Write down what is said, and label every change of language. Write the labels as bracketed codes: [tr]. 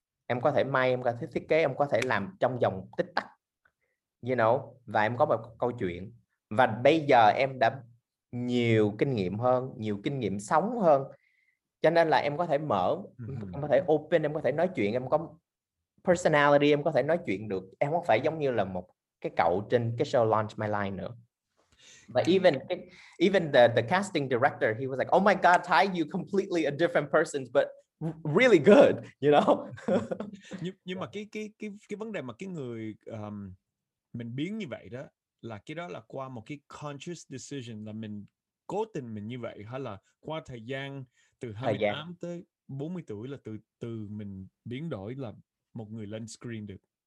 [vi] Em có thể may, em có thể thiết kế, em có thể làm trong vòng tích tắc. You know, và em có một câu chuyện. Và bây giờ em đã nhiều kinh nghiệm hơn, nhiều kinh nghiệm sống hơn. Cho nên là em có thể mở, em có thể open, em có thể nói chuyện, em có personality, em có thể nói chuyện được. Em không phải giống như là một cái cậu trên cái show Launch My Line nữa. [en] But even the casting director, he was like, oh my god, Thái, you completely a different person, but really good, you know. [vi] nhưng mà cái vấn đề mà cái người mình biến như vậy đó, là cái đó là qua một cái conscious decision, là mình cố tình mình như vậy, hay là qua thời gian từ 28 tới 40 tuổi là từ mình biến đổi là một người lên screen được?